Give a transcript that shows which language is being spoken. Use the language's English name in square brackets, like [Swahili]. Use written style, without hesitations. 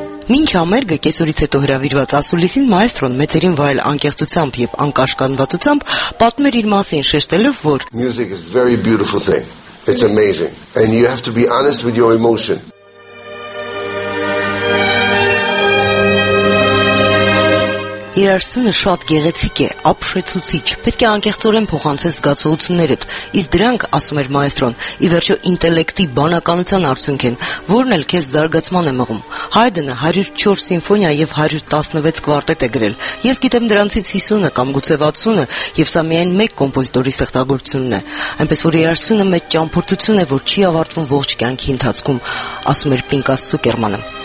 [Armenian] Մինչ համերգը կեսօրից հետո հրավիրված ասուլիսին մայստրոն մեծերին վայել անկեղծությամբ և անկաշկանդվածությամբ պատմեր իր մասին շեշտելով, որ [English] Music is very beautiful thing. It's amazing. And you have to be honest with your emotion. [Armenian] Երաժշտությունը շատ գեղեցիկ է, ապշեցուցիչ, պետք է անկեղծորեն փոխանցես զգացողություններդ, իսկ դրանք, ասում էր մայստրոն, ի վերջո ինտելեկտի բանականության արդյունք են, որն էլ քեզ զարգացման է մղում։ Հայդնը 104 սիմֆոնիա և 116 կվարտետ է գրել, ես գիտեմ դրանցից 50-ը կամ գուցե 60-ը, և սա միայն մեկ կոմպոզիտորի ստեղծագործությունն է, այնպես որ երաժշտությունը մեծ ճամփորդություն է, որ չի ավարտվում ողջ կյանքի ընթացքում, ասում էր Պինկաս Ցուկերմանը։